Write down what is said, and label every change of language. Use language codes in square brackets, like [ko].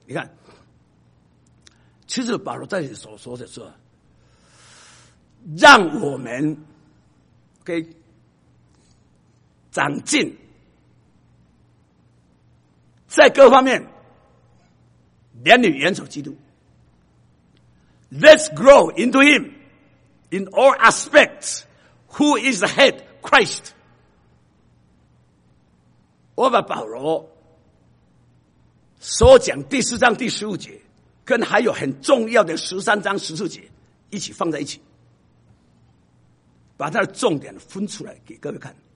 [zh] 你看其实保罗在这里所说的是让我们给长进，在各方面连理元首基督。 [en] Let's grow into him in all aspects who is the head Christ。 [zh] 我把保罗所讲第四章第十五节跟还有很重要的十三章十四节一起放在一起，把它的重点分出来给各位看。